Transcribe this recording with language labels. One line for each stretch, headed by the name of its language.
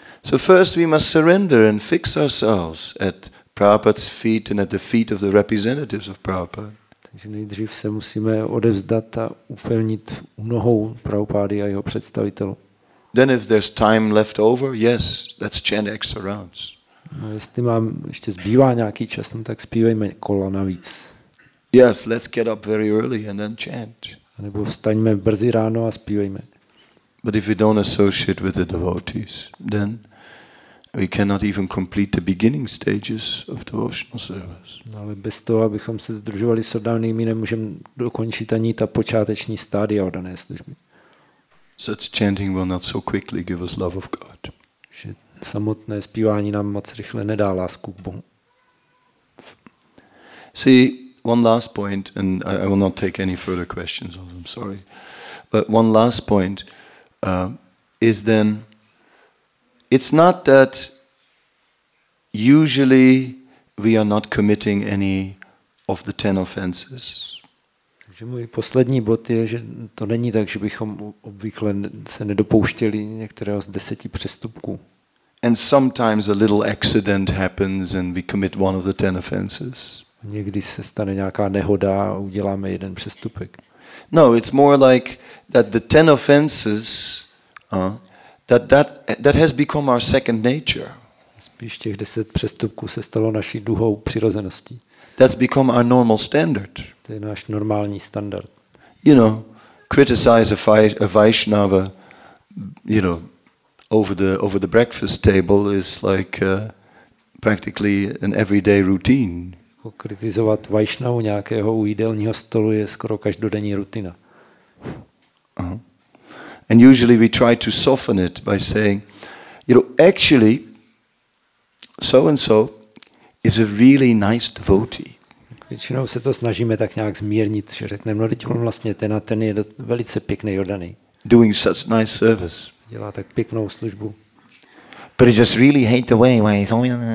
English: So first we must surrender and fix ourselves at Prabhupada's feet and at the feet of the representatives of Prabhupada.
Czech: Takže nejdřív se musíme odevzdat a upevnit u nohou Prabhupády a jeho představitelů.
English: Then if there's time left over, yes, let's chant extra rounds.
Czech: No, jestli mám ještě zbývá nějaký čas, no, tak zpívejme kola navíc.
English: Yes, let's get up very early and then chant.
Czech: A nebo vstaňme brzy ráno a zpívejme.
English: But if we don't associate with the devotees, then we cannot even complete the beginning stages of devotional service.
Czech: No, ale bez toho, abychom se združovali s oddanými, nemůžeme dokončit ani ta počáteční stádia oddané služby.
English: Such chanting will not so quickly give us love of God.
Czech: Že samotné zpívání nám moc rychle nedá lásku k Bohu.
English: See, one last point, and I will not take any further questions, I'm sorry. But one last point is then, it's not that usually we are not committing any of the 10 offenses.
Czech: Takže můj poslední bod je, že to není tak, že bychom obvykle se nedopouštěli některého z 10 přestupků.
English: And sometimes a little accident happens and we commit one of the 10 offenses.
Czech: Někdy se stane nějaká nehoda a uděláme jeden přestupek.
English: No, it's more like that the 10 offenses that has become our second nature.
Czech: Spíš těch 10 přestupků se stalo naší druhou přirozeností.
English: That's become our normal standard.
Czech: To je náš normální standard.
English: You know, criticize a Vaishnava, you know, over the breakfast table is like practically an everyday routine.
Czech: Kritizovat Vaishnavu nějakého u jídelního stolu je skoro každodenní rutina.
English: And usually we try to soften it by saying, you know, actually so and so is a really nice devotee.
Czech: Většinou se to snažíme tak nějak zmírnit, že řekneme, no teď on vlastně ten je velice pěkný oddaný.
English: Doing such nice service. Dělá tak pěknou službu. But he just really hate the way why he's only...